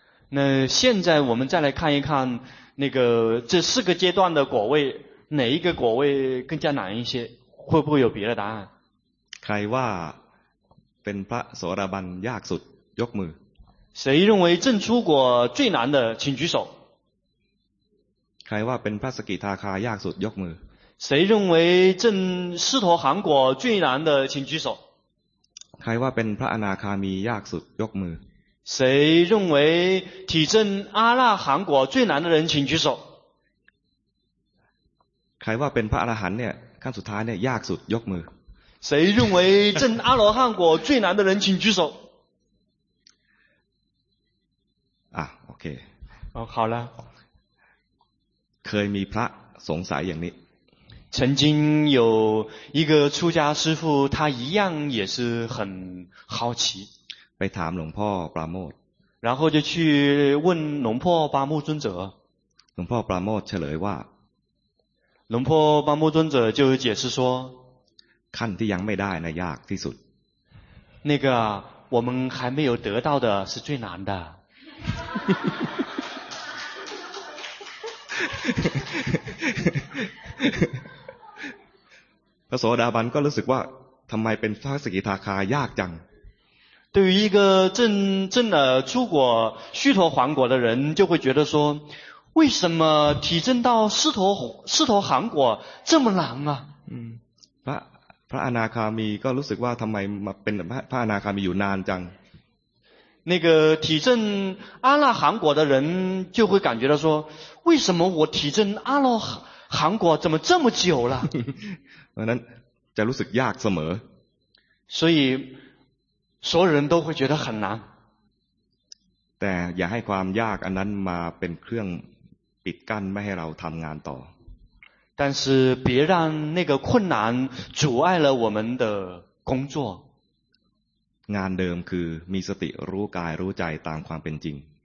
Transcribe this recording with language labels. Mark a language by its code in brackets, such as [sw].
[zh] 那现在我们再来看一看那个这四个阶段的果位哪一个果位更加难一些会不会有别的答案 [th] ใครว่าเป็นพระโสดาบันยากสุดยกมือ [zh] 谁认为证出果最难的请举手 [th] ใครว่าเป็นพระสกิทาคายากสุดยกมือ [zh] 谁认为正狮驼含果最难的请举手 [th] ใครว่าเป็นพระอนาคามียากสุดยกมือ [zh] 谁认为体证阿那含果最难的人请举手 [th] ใครว่าเป็นพระอรหันต์เนี่ยขั้นสุดท้ายเนี่ยยากสุดยกมือ [zh] 谁认为证阿罗汉果最难的人请举手 [th] 啊โอเค [zh] 哦好了 [th] เคยมีพระสงสัยอย่างนี้ [zh] 曾经有一个出家师父，他一样也是很好奇。 [th] ไปถามหลวงพ่อปราโมท [zh] 然后就去问龙婆巴木尊者。 [th] หลวงพ่อปราโมทเฉลยว่า [zh] 龙婆巴木尊者就解释说 [th] ขั้นที่ยังไม่ได้นะยากที่สุด [zh] 那个我们还没有得到的是最难的 [th] พระโสดาบันก็รู้สึกว่าทำไมเป็นพระสกิทาคายากจัง [zh] 对于一个证了出果须陀洹果的人就会觉得说为什么体证到狮驼洹果这么难啊 [th] พระอนาคามีก็รู้สึกว่าทำไมมาเป็นพระอนาคามีอยู่นานจัง [zh] 那个体证阿那含果的人就会感觉到说为什么我体证阿罗含果怎么这么久了 [th] นั้นจะรู้สึกยากเสม [zh] อ所以所有人都会觉得很难 [th] แต่อย่าให้ความยากอันนั้นมาเป็นเครื่องปิดกั้นไม่ให้เราทำงานต่อ [zh] 但是别让那个困难阻碍了我们的工作 [th] งานเดิมคือมีสติรู้กายรู้ใจตามความเป็นจริง